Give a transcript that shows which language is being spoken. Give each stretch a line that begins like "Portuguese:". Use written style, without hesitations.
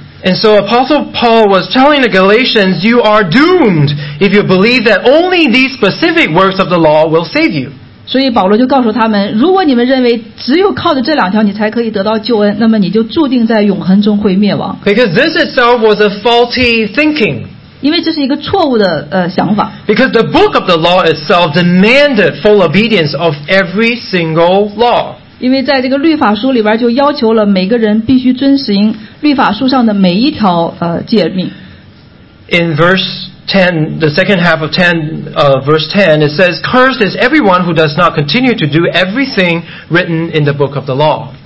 English: And so Apostle Paul was telling the Galatians, "You are doomed if you believe that only these specific works of the law will save you."
Chinese: 所以保罗就告诉他们，如果你们认为只有靠着这两条你才可以得到救恩，那么你就注定在永恒中会灭亡。
English: Because this itself was a faulty thinking.
Chinese: 因为这是一个错误的想法。
English: Because the book of the law itself demanded full obedience of every single law.
Chinese: 因为在这个律法书里边就要求了每个人必须遵循律法书上的每一条诫命。
English: In verse 10, the second half of 10, verse 10, it says, "Cursed is everyone who does not continue to do everything written in the book of the law."